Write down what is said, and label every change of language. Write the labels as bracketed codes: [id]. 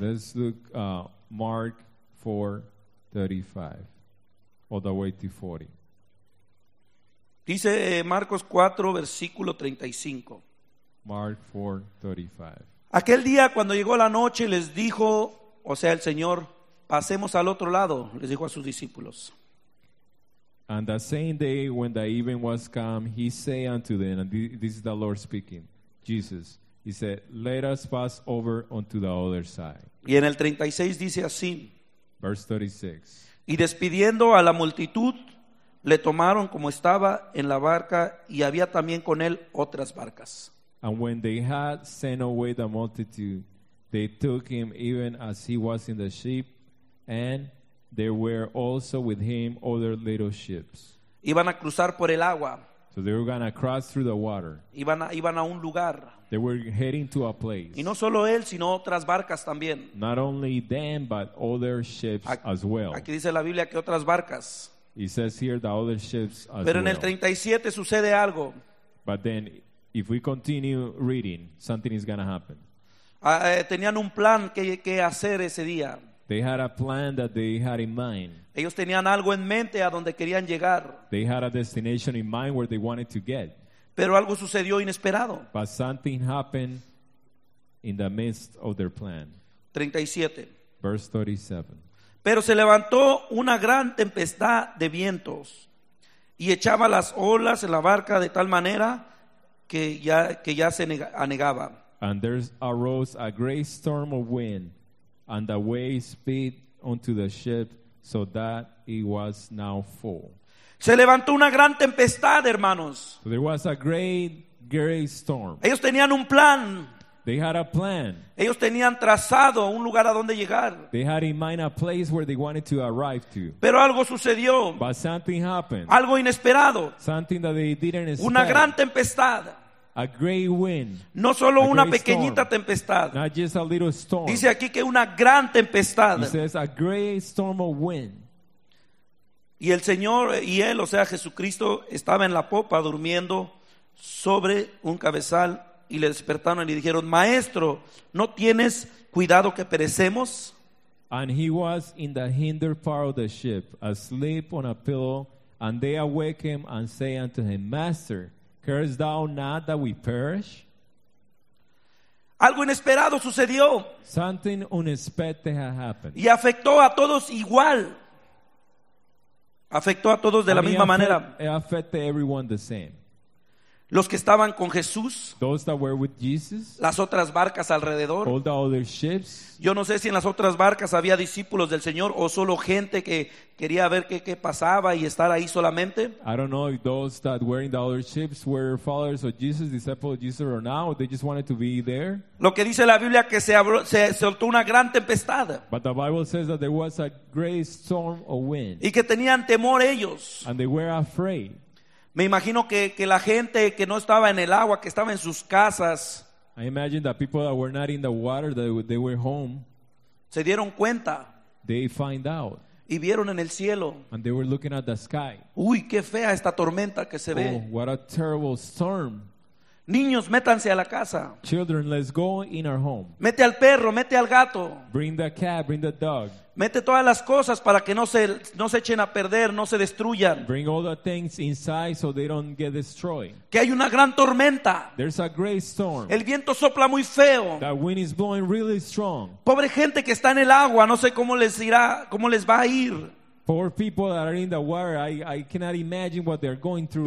[en] Let's look Mark 4:35, all the way to 40. [es] Dice Marcos 4, versículo 35. [en] Mark 4:35. [es] Aquel día cuando llegó la noche les dijo, o sea el Señor, pasemos al otro lado, les dijo a sus discípulos. [en] And the same day when the evening was come, he said unto them, and this is the Lord speaking, Jesus, he said, let us pass over unto the other side. [es] Y en el 36 dice así. [en] Verse 36. [es] Y despidiendo a la multitud, le tomaron como estaba en la barca y había también con él otras barcas. [en] And when they had sent away the multitude, they took him even as he was in the ship, and there were also with him other little ships. [es] Iban a cruzar por el agua. [en] So they were going to cross through the water. [es] Iban a un lugar. [en] They were heading to a place. [es] Y no solo él, sino otras barcas también. [en] Not only them, but other ships as well. [es] Aquí dice la Biblia que otras barcas. [en] He says here the other ships as [es] pero [en] well. [es] En el 37 sucede algo. [en] But then, if we continue reading, something is going to happen. [es] Tenían un plan que hacer ese día. [en] They had a plan that they had in mind. [es] Ellos tenían algo en mente a donde querían llegar. [en] They had a destination in mind where they wanted to get. [es] Pero algo sucedió inesperado. [en] But something happened in the midst of their plan. [es] 37. [en] Verse 37. [es] Pero se levantó una gran tempestad de vientos y echaba las olas en la barca de tal manera que ya se anegaba. [en] And there arose a great storm of wind, and the waves beat onto the ship, so that it was now full. [es] Se levantó una gran tempestad, hermanos. [en] So there was a great, great storm. [es] Ellos tenían un plan. [en] They had a plan. [es] Ellos tenían trazado un lugar a donde llegar. [en] They had in mind a place where they wanted to arrive to. [es] Pero algo sucedió. [en] But something happened. [es] Algo inesperado. [en] Something that they didn't expect. [es] Una gran tempestad. [en] A great wind. [es] No solo una pequeñita tempestad. [en] Not just a little storm. [es] Dice aquí que una gran tempestad. [en] It says a great storm of wind. [es] Y el Señor y él, o sea Jesucristo, estaba en la popa durmiendo sobre un cabezal. Y le despertaron y le dijeron: Maestro, ¿no tienes cuidado que perecemos? [en] And he was in the hinder part of the ship, asleep on a pillow, and they awake him and say unto him, Master, carest thou not that we perish? [es] Algo inesperado sucedió. [en] Something unexpected had happened. [es] Y afectó a todos igual. Afectó a todos de la misma manera. [en] It affected everyone the same. [es] Los que estaban con Jesús, [en] those that were with Jesus, [es] las otras barcas alrededor, [en] all the other ships. [es] Yo no sé si en las otras barcas había discípulos del Señor o solo gente que quería ver qué pasaba y estar ahí solamente. [en] I don't know if those that were in the other ships were followers of Jesus, disciples of Jesus or not, or they just wanted to be there. [es] Lo que dice la Biblia que se soltó una gran tempestad. [en] But the Bible says that there was a great storm of wind. [es] Y que tenían temor ellos. [en] And they were afraid. [es] Me imagino que la gente que no estaba en el agua, que estaba en sus casas, [en] I imagine that people that were not in the water, that they were home, [es] se dieron cuenta. [en] They find out. [es] Y vieron en el cielo. [en] And they were looking at the sky. [es] Uy, qué fea esta tormenta que se ve. [en] Oh, what a terrible storm. [es] Niños, métanse a la casa. [en] Children, let's go in our home. [es] Mete al perro, mete al gato. [en] Bring the cat, bring the dog. [es] Mete todas las cosas para que no se echen a perder, no se destruyan. [en] Bring all the things inside so they don't get destroyed. [es] Que hay una gran tormenta. [en] There's a great storm. [es] El viento sopla muy feo. [en] That wind is blowing really strong. [es] Pobre gente que está en el agua, no sé cómo les irá, cómo les va a ir. [en] Poor people that are in the water, I cannot imagine what they're going through.